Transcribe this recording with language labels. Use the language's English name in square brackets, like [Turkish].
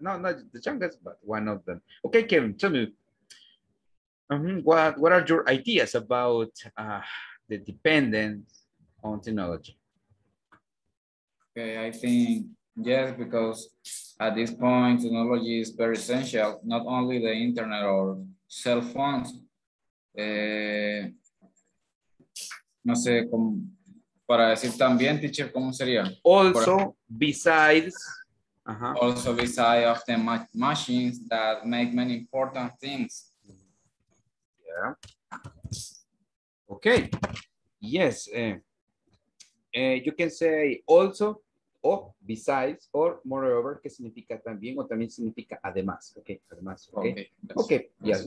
[English] No, not the youngest, but one of them. Okay, Kevin, tell me, what are your ideas about the dependence on technology? Okay, I think, yes, because at this point, technology is very essential, not only the internet or cell phones. [Spanish] No sé, como para decir también, teacher, ¿cómo sería? [English] Also besides of the machines that make many important things. Yeah. Okay. Yes. You can say also, or besides, or moreover, [Spanish] que significa también, o también significa además. [English] Okay, además. Okay. Okay. Yes.